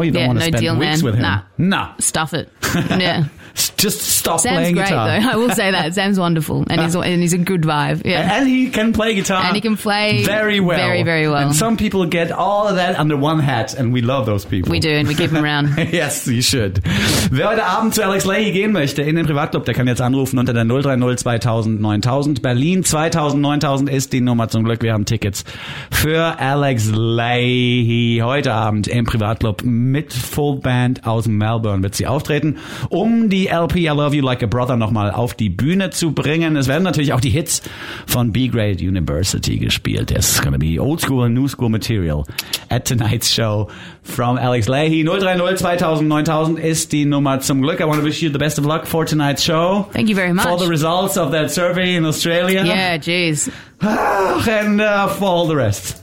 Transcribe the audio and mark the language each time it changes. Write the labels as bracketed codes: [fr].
[en] You don't want to spend weeks with him. Nah. Stuff it. Yeah. Just stop Sam's playing great, guitar. Sam's great, though. I will say that. Sam's wonderful, and he's a good vibe. Yeah. And he can play guitar. And he can play very well. Very, very well. And some people get all of that under one hat, and we love those people. We do, and we keep him around. Yes, you should. [de] Wer heute Abend zu Alex Leahy gehen möchte in den Privatclub, der kann jetzt anrufen unter der 030 2000 9000. Berlin 2000 9000 ist die Nummer. Zum Glück, wir haben Tickets für Alex Leahy heute Abend im Privatclub mit Full Band aus Melbourne. Wird sie auftreten, um die LP I Love You Like a Brother nochmal auf die Bühne zu bringen. Es werden natürlich auch die Hits von B-Grade University gespielt. [en] It's going to be old school and new school material at tonight's show from Alex Leahy. [de] 030 2000 9000 ist die Nummer. Zum Glück, [en] I want to wish you the best of luck for tonight's show. Thank you very much. For the results of that survey in Australia. Yeah, geez. And for all the rest.